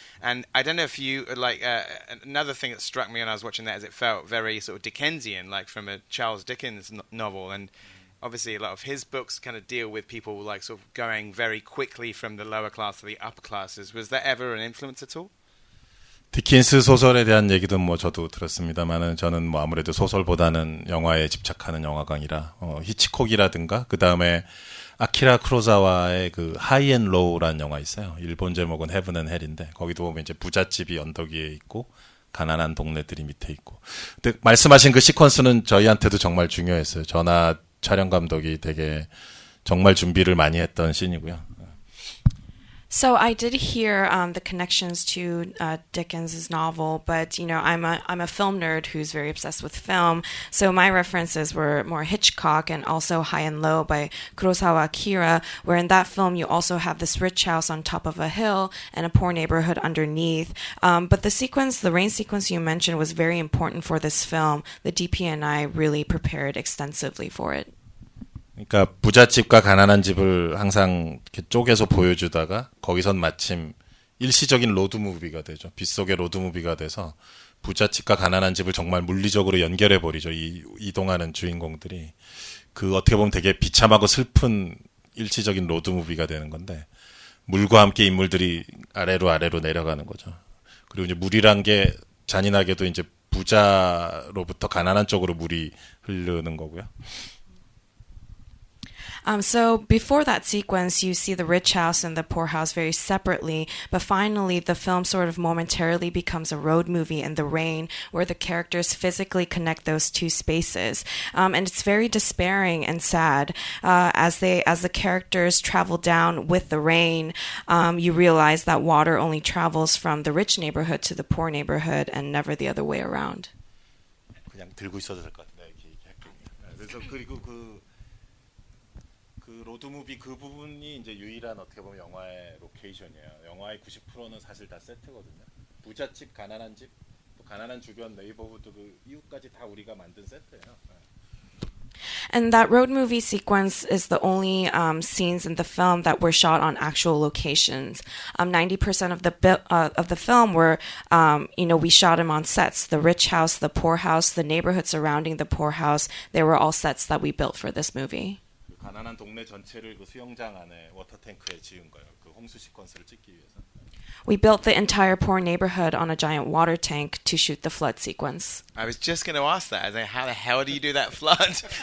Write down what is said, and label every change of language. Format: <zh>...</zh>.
<en>And I don't know if you, like, another thing that struck me when I was watching that is it felt very sort of Dickensian, like from a Charles Dickens novel. And obviously a lot of his books kind of deal with people like sort of going very quickly from the lower class to the upper classes. Was that ever an influence at all?</en> <ko>디킨스 소설에 대한 얘기도 뭐 저도 들었습니다만은 저는 뭐 아무래도 소설보다는 영화에 집착하는 영화광이라 히치콕이라든가 그 다음에 아키라 크로자와의 그 하이 앤 로우라는 영화 있어요. 일본 제목은 헤븐 앤 헬인데 거기도 보면 이제 부잣집이 언덕 위에 있고 가난한 동네들이 밑에 있고. 근데 말씀하신 그 시퀀스는 저희한테도 정말 중요했어요. 전화 촬영 감독이 되게 정말 준비를 많이 했던 씬이고요.</ko> <en>So I did hear the connections to Dickens' novel, but you know I'm a film nerd who's very obsessed with film. So my references were more Hitchcock and also High and Low by Kurosawa Akira, where in that film you also have this rich house on top of a hill and a poor neighborhood underneath. But the sequence, the rain sequence you mentioned, was very important for this film. The DP and I really prepared extensively for it.</en> <ko>그러니까 부잣집과 가난한 집을 항상 이렇게 쪼개서 보여주다가 거기선 마침 일시적인 로드무비가 되죠. 빗속의 로드무비가 돼서 부잣집과 가난한 집을 정말 물리적으로 연결해버리죠. 이동하는 주인공들이. 그 어떻게 보면 되게 비참하고 슬픈 일시적인 로드무비가 되는 건데 물과 함께 인물들이 아래로 아래로 내려가는 거죠. 그리고 이제 물이란 게 잔인하게도 이제 부자로부터 가난한 쪽으로 물이 흐르는 거고요.</ko> <en>So before that sequence, you see the rich house and the poor house very separately, but finally the film sort of momentarily becomes a road movie in the rain where the characters physically connect those two spaces. And it's very despairing and sad. As the characters travel down with the rain, you realize that water only travels from the rich neighborhood to the poor neighborhood and never the other way around.</en> <ko>그냥 들고 있어도 될 것 같은데, 이렇게 그래서 그리고 그 로드무비 그 부분이 이제 유일한 어떻게 보면 영화의 로케이션이에요. 영화의 90%는 사실 다 세트거든요. 부잣집, 가난한 집, 또 가난한 주변 네이버후드 그 이웃까지 다 우리가 만든 세트예요.</ko> <en>And that road movie sequence is the only scenes in the film that were shot on actual locations. 90% of the film were, we shot him on sets. The rich house, the poor house, the neighborhood surrounding the poor house, they were all sets that we built for this movie.</en> <ko>가난한 동네 전체를 그 수영장 안에 워터탱크에 지은 거예요. 그 홍수 시퀀스를 찍기 위해서.</ko> <en>We built the entire poor neighborhood on a giant water tank to shoot the flood sequence. I was just going to ask that. I was like, how the hell do you do that flood?</en>